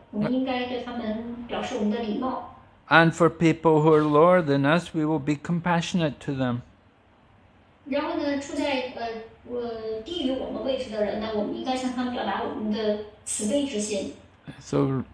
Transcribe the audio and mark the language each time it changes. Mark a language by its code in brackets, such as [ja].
[zh] 因为如果是对于处在领导地位的人，或者说是我们的长辈，那我们就很自然的，的确是需要向他们展示敬意的。我们应该对他们表示我们的礼貌。And [en] for people who are lower than us, we will be compassionate to them. [zh] 然后呢，处在低于我们位置的人，那我们应该向他们表达我们的慈悲之心。So